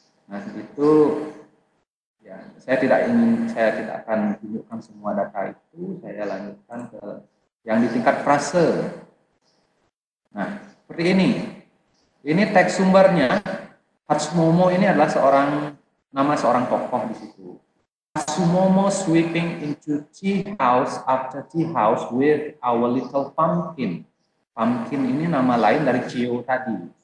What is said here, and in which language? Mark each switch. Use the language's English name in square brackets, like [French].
[Indonesian] Nah, itu ya, saya tidak akan tunjukkan semua data itu, saya lanjutkan ke yang di tingkat frase. Nah, seperti ini. Ini teks sumbernya. Hatsumomo ini adalah nama seorang tokoh di situ. [English] Hatsumomo sweeping into tea house after tea house with our little pumpkin. [Indonesian] Pumpkin ini nama lain dari Chio tadi.